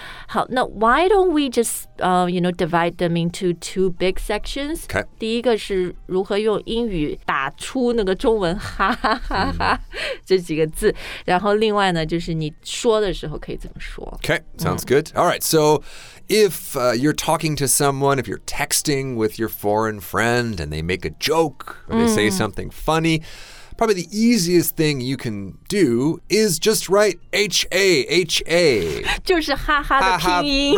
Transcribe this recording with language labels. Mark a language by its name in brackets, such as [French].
[Chinese] 好，那 [English] why don't we just、you know, divide them into two big sections、 okay. [Chinese] 第一个是如何用英语打出那个中文哈哈哈哈这几个字，然后另外呢就是你说的时候可以怎么说。 [English] Okay, sounds good. Alright, so if、you're talking to someone, if you're texting withyour foreign friend and they make a joke or they say something funny, probably the easiest thing you can do is just write H-A-H-A. [Chinese] 就是哈哈的拼音。